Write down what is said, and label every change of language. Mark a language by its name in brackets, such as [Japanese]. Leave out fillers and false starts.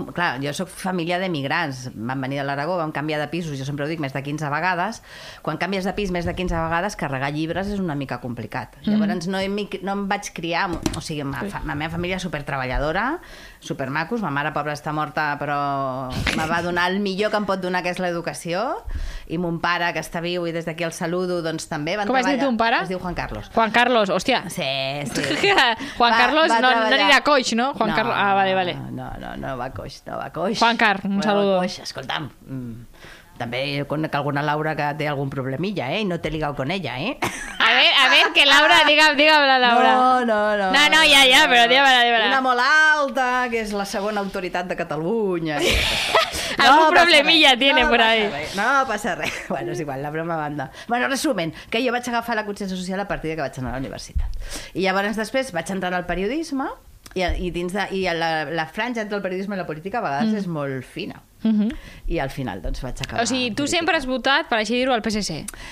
[Catalan] Clar, jo sóc família d'emigrants. Vam venir de l'Aragó, vam canviar de pisos, jo sempre ho dic, més de 15 vegades. Quan canvies de pis més de 15 vegades, carregar llibres és una mica complicat. Llavors, no em vaig criar... O sigui, la meva família és supertreballadora, supermacos, ma mare, pobra, està morta, però me va donar el millor que em pot donar, que és l'educació. I mon pare, que està viu, i des d'aquí el saludo, doncs també van treballar... Com has dit un pare? Es diu Juan Carlos. Juan Carlos, hòstia. Sí. Juan Carlos no anirà coix, no? Juan no. Ah, vale. No va coix. [Spanish] Juan Car, un saludo. [Catalan] Coix, escolta'm, també conec alguna Laura que té algun problemilla, eh? I no t'he ligat [Spanish] con ella, [Catalan] eh? A ver, que Laura, digue'm la Laura. No, però digue'm. Una molt alta, que és la segona autoritat de Catalunya. [Spanish] Algun problemilla tiene por ahí. [Catalan] No passa res. Bueno, és igual, la broma a banda. Bueno, resumen, que jo vaig agafar la consciència social a partir de que vaig anar a la universitat. I llavors després vaig entrar al periodisme, I dins de, i la franja entre el periodisme i la política a vegades és molt fina. Uh-huh. I al final doncs vaig acabar... O sigui, tu sempre has votat, per així dir-ho, al PSC?